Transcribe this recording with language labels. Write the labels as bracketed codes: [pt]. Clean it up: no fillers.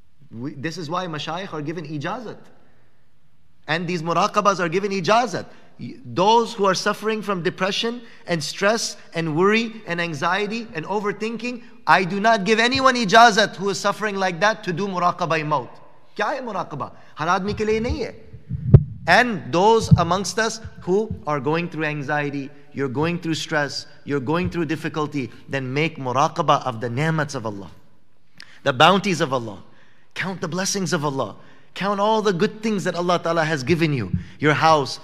[en] This is why mashayikh are given ijazat. And these muraqabas are given ijazat. Those who are suffering from depression and stress and worry and anxiety and overthinking, I do not give anyone ijazat who is suffering like that to do muraqabah maut. [ur] کیا ہے مراقبہ؟ ہر آدمی کے لیے نہیں ہے۔ [en] And those amongst us who are going through anxiety, you're going through stress, you're going through difficulty, then make muraqabah of the ni'mats of Allah. The bounties of Allah. Count the blessings of Allah. Count all the good things that Allah Ta'ala has given you. Your house.